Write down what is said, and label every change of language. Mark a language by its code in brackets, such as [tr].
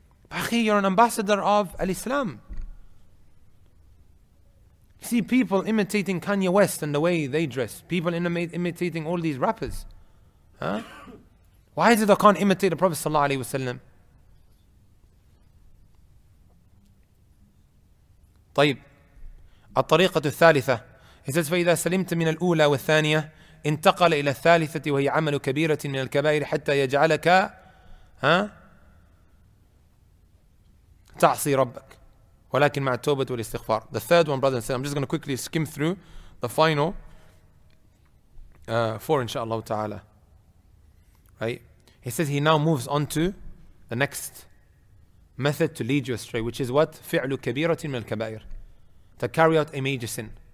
[en] Bakhi, you're an ambassador of al-Islam. See, people imitating Kanye West and the way they dress. People imitating all these rappers. Huh? Why is it I can't imitate the Prophet sallallahu alaihi wasallam? [ar] طيب. الطريقة الثالثة. [en] He says, [ar] فإذا سلمت من الأولى والثانية انتقل إلى الثالثة وهي عمل كبيرة من الكبائر حتى يجعلك ها تعصي ربك ولكن مع التوبة والاستغفار. [en] The third one, brothers and sisters, I'm just going to quickly skim through the final four, inshallah ta'ala. Right? He says he now moves on to the next method to lead you astray, which is what? [ar] فعل كبيرة من الكبائر. [en] To carry out a major sin.